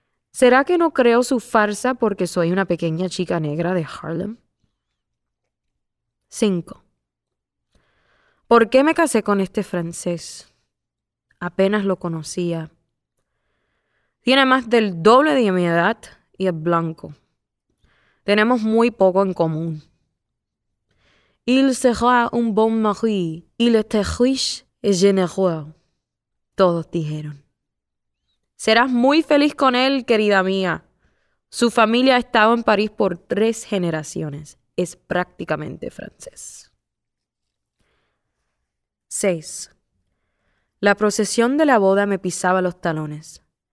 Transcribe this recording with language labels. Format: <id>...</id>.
<es>¿Será que no creo su farsa porque soy una pequeña chica negra de Harlem? 5. ¿Por qué me casé con este francés? Apenas lo conocía. Tiene más del doble de mi edad y es blanco. Tenemos muy poco en común.</es> <fr>Il sera un bon mari, il était riche et généreux,</fr> <es>todos dijeron. Serás muy feliz con él, querida mía. Su familia ha estado en París por 3 generaciones. Es prácticamente francés. 6. La procesión de la boda me pisaba los talones.</es>